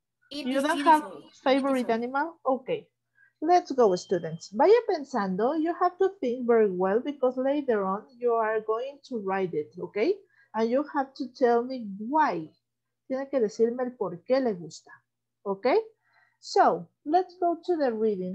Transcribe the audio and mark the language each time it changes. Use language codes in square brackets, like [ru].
[en] It you don't have favorite animal? Okay. Let's go, students. [es] Vaya pensando. [en] You have to think very well because later on you are going to write it, okay? And you have to tell me why. [es] Tiene que decirme el por qué le gusta, okay? [en] So, let's go to the reading.